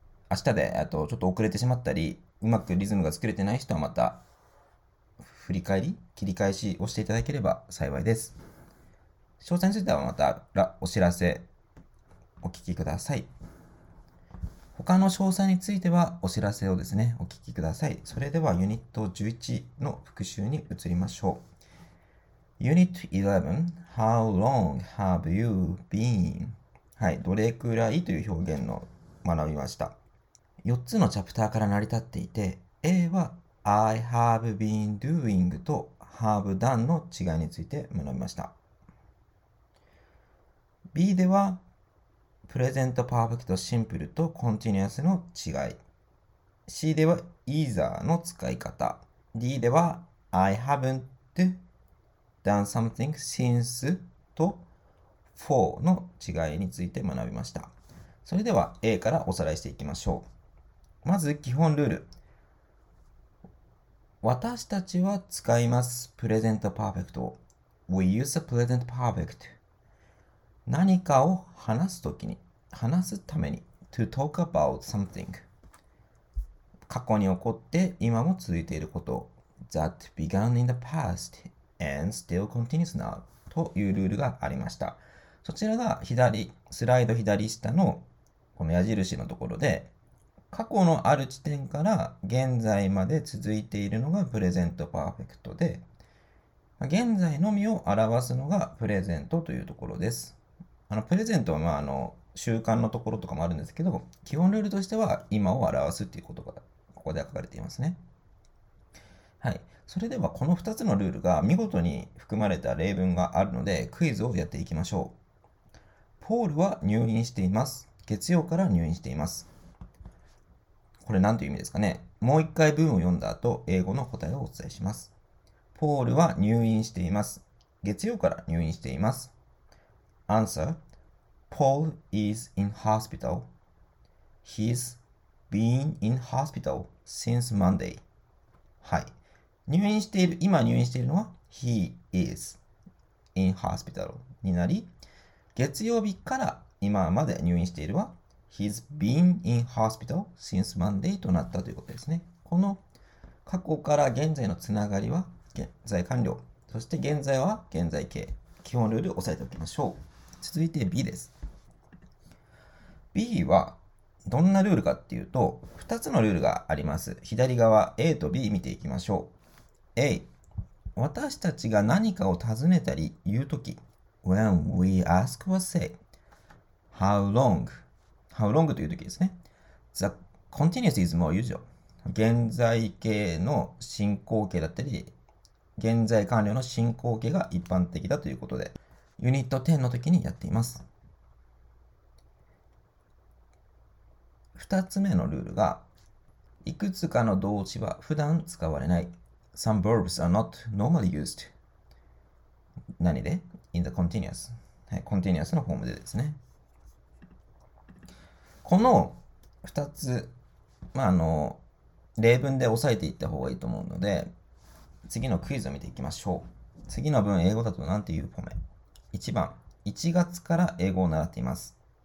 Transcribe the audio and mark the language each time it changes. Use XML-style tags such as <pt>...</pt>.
<ja>明日で、ちょっと遅れてしまったり、うまくリズムが作れてない人はまた、振り返り、切り返しをしていただければ幸いです。詳細についてはまた、お知らせ。お聞きください。他の詳細についてはお知らせをですね、お聞きください。それではユニット11の復習に移りましょう。</ja> <en>Unit 11, How long have you been?</en> <ja>はい、どれくらいという表現の学びました。4つのチャプターから成り立っていて、A は</ja> <en>I have been doing</en> <ja>と</ja> <en>have done</en> <ja>の違いについて学びました。 B ではプレゼントパーフェクトシンプルとコンティニュアスの違い。 C では either の使い方。D では</ja> <en>I haven't done something since</en> <ja>と for の違いについて学びました。それでは A からおさらいしていきましょう。まず基本ルール。私たちは使いますプレゼントパーフェクト。</ja> <en>We use the present perfect.</en> <ja>何かを話すときに。話すために</ja> <en>to talk about something</en> <ja>過去に起こって今も続いていること</ja> <en>that began in the past and still continues now</en> <ja>というルールがありました。そちらが左スライド左下のこの矢印のところで、過去のある地点から現在まで続いているのがプレゼントパーフェクトで、現在のみを表すのがプレゼントというところです。プレゼントはまあ習慣のところとかもあるんですけど、基本ルールとしては今を表すっていうことがここで書かれていますね。はい。それではこの2つのルールが見事に含まれた例文があるので、クイズをやっていきましょう。ポールは入院しています。月曜から入院しています。これ何という意味ですかね。もう一回文を読んだ後、英語の答えをお伝えします。ポールは入院しています。月曜から入院しています。</ja> <en>Answer:Paul is in hospital. He's been in hospital since Monday.</en> <ja>はい。入院している、今入院しているのは</ja> <en>He is in hospital</en> <ja>になり、月曜日から今まで入院しているは</ja> <en>He's been in hospital since Monday</en> <ja>となったということですね。この過去から現在のつながりは現在完了。そして現在は現在形。基本ルールを押さえておきましょう。続いて B です。 B はどんなルールかっていうと、2つのルールがあります。左側 A と B 見ていきましょう。A、私たちが何かを尋ねたり言うとき、</ja> <en>When we ask or say, how long</en> <ja>というときですね。</ja> <en>The continuous is more usual.</en> <ja>現在形の進行形だったり、現在完了の進行形が一般的だということで、ユニット10のときにやっています。 2つ目のルールが、いくつかの動詞は普段使われない。</ja> <en>Some verbs are not normally used.</en> <ja>何で</ja> <en>?In the continuous.</en> <ja>はい、continuous のフォームでですね。この2つ、例文で押さえていった方がいいと思うので、次のクイズを見ていきましょう。次の文、英語だと何ていうポメ ?1 番、1月から英語を習っています。</ja>